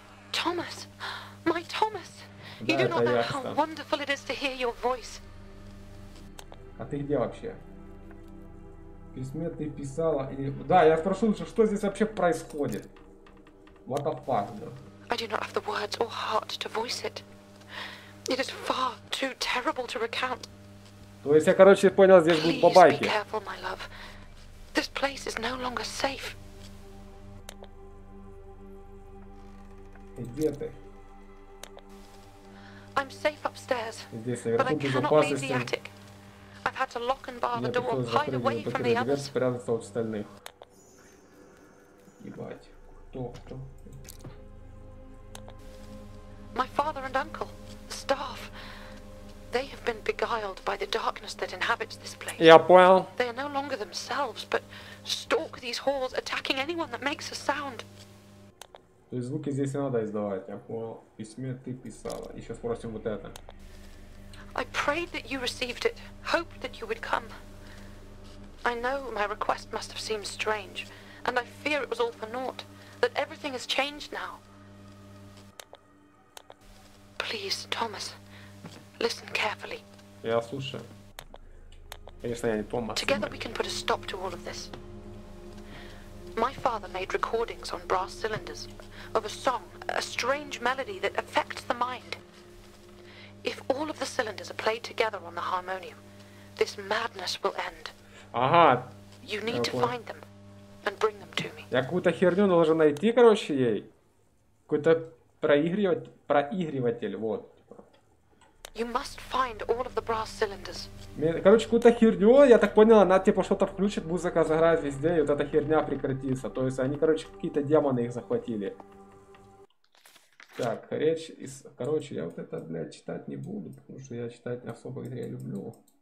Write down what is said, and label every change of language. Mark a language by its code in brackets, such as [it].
[ru] Томас, мой Томас, [en] you do not know how wonderful it is to hear your voice. [ru] А ты где вообще? Письме ты писала или... Да, я спрашиваю, что здесь вообще происходит? [en] What the fuck, да? I do not have the words or heart to voice it. It is far too terrible to recount. [ru] То есть я, короче, понял, здесь будут бабайки. [en] Please be careful, my love. This place is no longer safe. [ru] Где ты? [en] I'm safe upstairs. [ru] Здесь наверху безопасности. Меня пришлось запрыгнуть под эту дверь, спрятаться от остальных. Ебать. Кто? Кто? [en] My father and uncle, the staff, they have been beguiled by the darkness that inhabits this place. Yep, well. They are no longer themselves, but stalk these halls, attacking anyone that makes a sound. [ru] То есть звуки здесь не надо издавать, я понял. Письме ты писала. И сейчас спросим вот это. [en] I prayed that you received it, hoped that you would come. I know my request must have seemed strange, and I fear it was all for naught, that everything has changed now. Please, Thomas, listen carefully. [ru] Я слушаю. Конечно, я не Томас. [en] Together we can put a stop to all of this. My father made recordings on brass cylinders of a song, a strange melody that affects the mind. If all of the cylinders are played together on the harmonium, this madness will end. [ru] Ага. [en] You need to find them and bring them to me. [ru] Я какую-то херню должен найти, короче, ей. Какой-то проигрыватель, вот. [en] You must find all of the brass cylinders. [ru] Короче, какую-то херню, я так понял, она типа что-то включит, музыка заграет везде, и вот эта херня прекратится. То есть они, короче, какие-то демоны их захватили. Так, речь из... Короче, я вот это, блядь, читать не буду, потому что я читать не особо игре люблю.